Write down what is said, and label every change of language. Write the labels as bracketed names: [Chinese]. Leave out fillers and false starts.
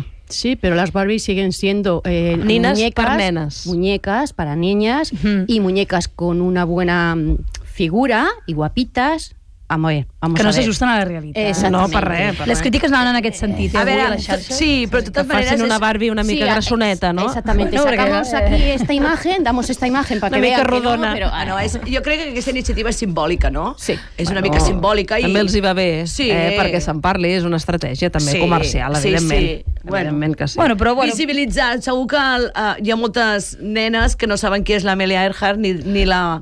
[Catalan] Sí, però les Barbies [Spanish] siguen siendo [Catalan] nines [Spanish] muñecas, [Catalan] per nenes. [Spanish] Muñecas para niñas, y muñecas con una buena figura y guapitas... Vamos [Catalan] que no s'ajusten a la realitat. No, per res. Les crítiques anaven en aquest sentit. A veure, sí, però de totes maneres... Que facin una Barbie una mica grassoneta, no? Exactament. No, [Spanish] sacamos aquí esta imagen, damos esta imagen para que vean que [Catalan] rodona. No, però... Ah, no, jo crec que aquesta iniciativa és simbòlica, no? Sí. És una mica simbòlica i... També els hi va bé, perquè se'n parli, és una estratègia també comercial, evidentment. Evidentment que sí. Bueno. Visibilitzar, segur que hi ha moltes nenes que no saben qui és l'Amelia Earhart ni la...